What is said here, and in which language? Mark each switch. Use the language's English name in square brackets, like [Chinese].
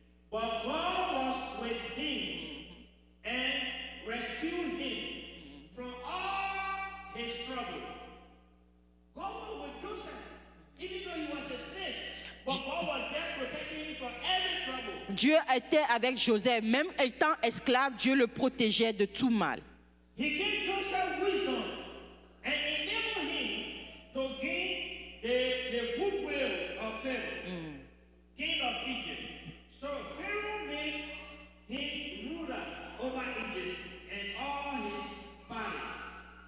[English] But God was with him and rescued him from all his trouble. God was with Joseph, even though he was a slave. But God was there protecting him from every trouble. [French] Dieu était avec Joseph. Même étant esclave, Dieu le protégeait de tout mal. [English] He gave Joseph wisdom and enabled him to gain the goodwill of Pharaoh, king of Egypt. So Pharaoh made him ruler over Egypt and all his palace.